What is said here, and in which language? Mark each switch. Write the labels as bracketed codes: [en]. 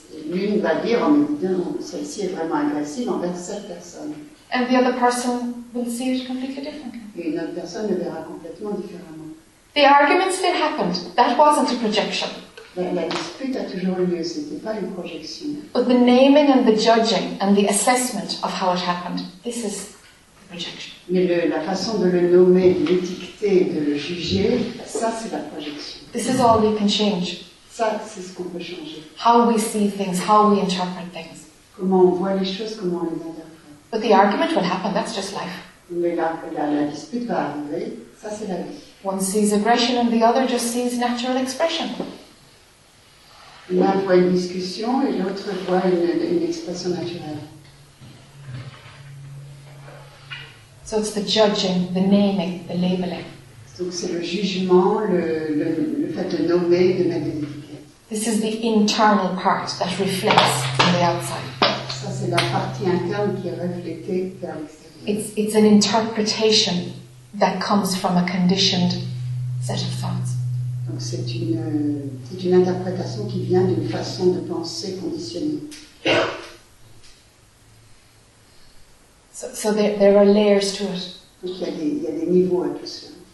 [fr] L'une va dire, oh mais non, celle-ci est vraiment agressive envers cette personne. [en] And the other person will see it completely differently. [fr] Et une autre personne le verra complètement différemment. [en] The arguments that happened, that wasn't a projection. [fr] La dispute a toujours eu lieu, ce n'était pas une projection. [en] But the naming and the judging and the assessment of how it happened, this is the projection. [fr] Mais la façon de le nommer, de l'étiqueter, de le juger, ça c'est la projection. [en] This is all we can change. [fr] Ça, c'est ce qu'on peut changer. [en] How we see things, how we interpret things. [fr] Comment on voit les choses, comment on les interprète. [en] But the argument will happen, that's just life. [fr] La dispute va arriver, ça c'est la vie. [en] One sees aggression and the other just sees natural expression. [fr] L'un voit une discussion et l'autre voit une expression naturelle. [en] So it's the judging, the naming, the labeling. [fr] Donc c'est le jugement, le fait de nommer, de mettre des étiquettes. [en] This is the internal part that reflects on the outside. [fr] Ça, c'est la partie interne qui est reflétée vers l'extérieur. [en] It's an interpretation that comes from a conditioned set of thoughts. [fr] Donc c'est une interprétation qui vient d'une façon de penser conditionnée. [en] So there are layers to it. [fr] Donc il y a des niveaux à tout ça.